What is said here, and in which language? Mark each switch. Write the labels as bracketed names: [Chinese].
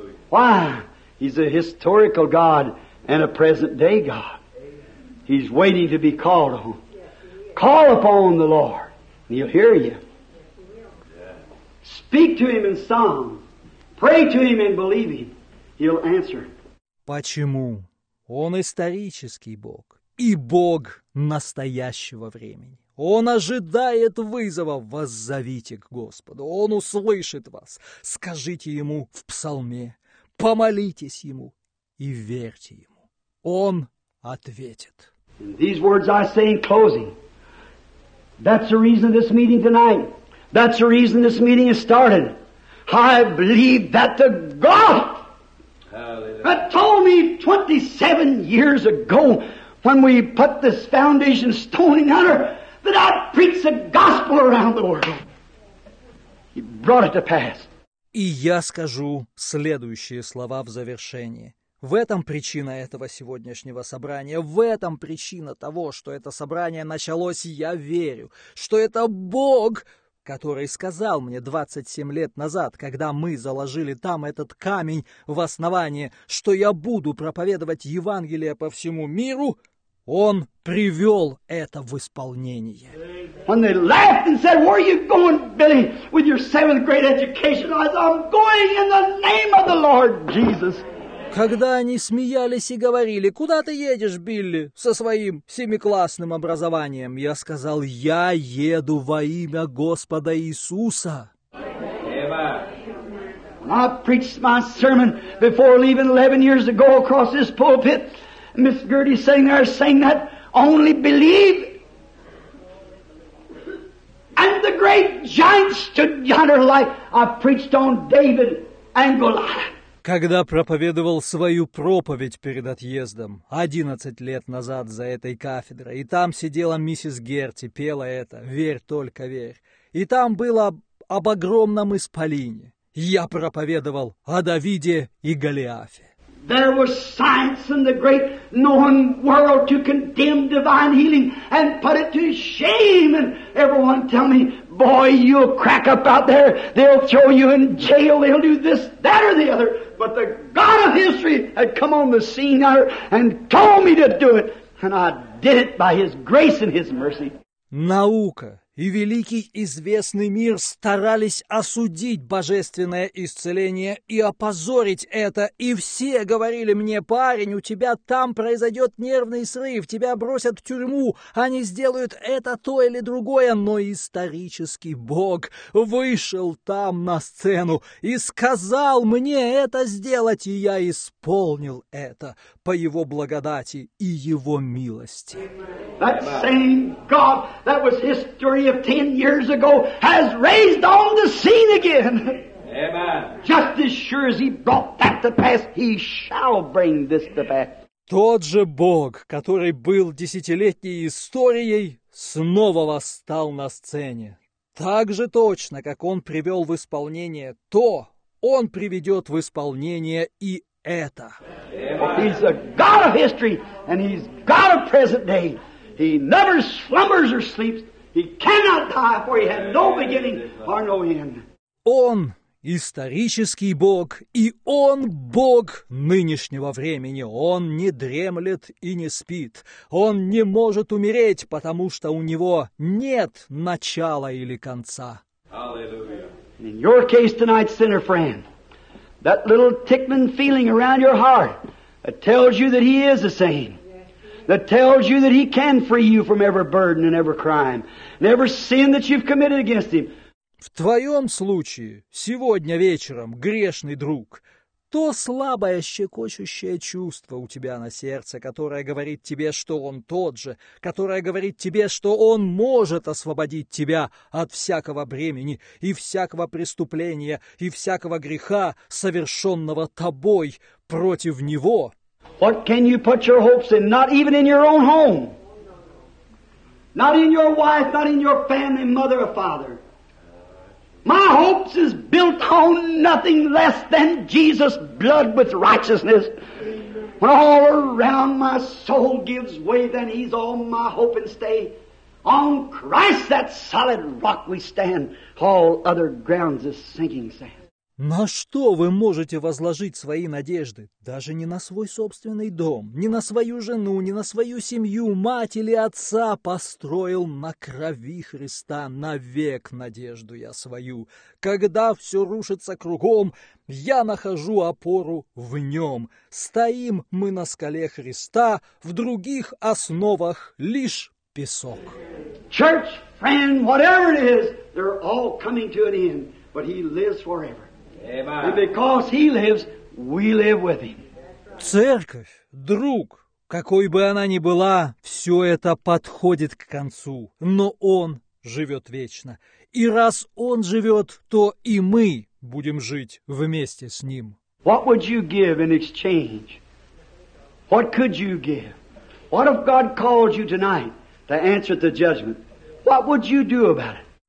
[English] Why? He's a historical God and a present day God. He's waiting to be called on. Call upon the Lord, and he'll hear you. Speak to him in song. Pray to him in believing. He'll answer. [Russian] Почему? Он исторический Бог. И Бог настоящего времени. Он ожидает вызова. Воззовите к Господу. Он услышит вас. Скажите Ему в псалме. Помолитесь Ему и верьте Ему. Он ответит. [English] In these words I say in closing. That's the reason this meeting tonight. That's the reason this meeting is started. I believe that the God. Hallelujah. That told me 27 years ago when we put this foundation stone in yonder that I'd preach the gospel around the world. He brought it to pass. [Russian] И я скажу следующие слова в завершении. В этом причина этого сегодняшнего собрания, в этом причина того, что это собрание началось, я верю, что это Бог, который сказал мне 27 лет назад, когда мы заложили там этот камень в основании, что я буду проповедовать Евангелие по всему миру, Он привел это в исполнение. [English] When they laughed and said, "Where are you going, Billy, with your seventh grade education?" I said, "I'm going in the name of the Lord Jesus." [Russian] Когда они смеялись и говорили, "Куда ты едешь, Билли, со своим семиклассным образованием?" Я сказал, "Я еду во имя Господа Иисуса." [English] When I preached my sermon before leaving 11 years ago across this pulpit, Miss Gertie sitting there saying that, "Only believe." And the great giant stood yonder like I preached on David and Goliath. [Russian] Когда проповедовал свою проповедь перед отъездом 11 лет назад за этой кафедрой, и там сидела миссис Герти, пела это «Верь, только верь». И там было об огромном исполине. Я проповедовал о Давиде и Голиафе. [English] There was science in the great known world to condemn divine healing and put it to shame. And everyone tell me, boy, you'll crack up out there. They'll throw you in jail. They'll do this, that, or the other. But the God of history had come on the scene there and told me to do it. And I did it by His grace and His mercy. [Russian] Наука и великий известный мир старались осудить божественное исцеление и опозорить это. И все говорили мне, парень, у тебя там произойдет нервный срыв, тебя бросят в тюрьму, они сделают это, то или другое. Но исторический Бог вышел там на сцену и сказал мне это сделать, и я исполнил это по Его благодати и Его милости. [English] That same God, that was history of 10 years ago, has raised on the scene again. Amen. Just as sure as He brought that to pass, He shall bring this to pass. [Russian] Тот же Бог, который был десятилетней историей, снова восстал на сцене. Так же точно, как Он привел в исполнение то, Он приведет в исполнение и это. [English] Amen. He's a God of history, and He's God of present day. He never slumbers or sleeps. He cannot die, for He had no beginning or no end. [Russian] Он исторический Бог, и Он Бог нынешнего времени. Он не дремлет и не спит. Он не может умереть, потому что у Него нет начала или конца. [English] Hallelujah. In your case tonight, sinner friend, that little tickling feeling around your heart that tells you that He is the same, that tells you that He can free you from every burden and every crime and every sin that you've committed against Him. [Russian] В твоем случае, сегодня вечером, грешный друг, то слабое щекочущее чувство у тебя на сердце, которое говорит тебе, что Он тот же, которое говорит тебе, что Он может освободить тебя от всякого бремени и всякого преступления и всякого греха, совершенного тобой против Него. [English] What can you put your hopes in? Not even in your own home. Not in your wife, not in your family, mother or father. My hopes is built on nothing less than Jesus' blood with righteousness. When all around my soul gives way, then He's all my hope and stay. On Christ, that solid rock we stand, all other grounds is sinking sand. [Russian] На что вы можете возложить свои надежды? Даже не на свой собственный дом, не на свою жену, не на свою семью, мать или отца построил на крови Христа навек надежду я свою. Когда все рушится кругом, я нахожу опору в нем. Стоим мы на скале Христа, в других основах лишь песок. [English] Church, friend, whatever it is, they're all coming to an end, but He lives forever. Amen. And because He lives, we live with Him. [Russian] Церковь, друг, какой бы она ни была, все это подходит к концу. Но Он живет вечно. И раз Он живет, то и мы будем жить вместе с Ним. [English] What would you give in exchange? What could you give? What if God called you tonight to answer the judgment? What would you do about it?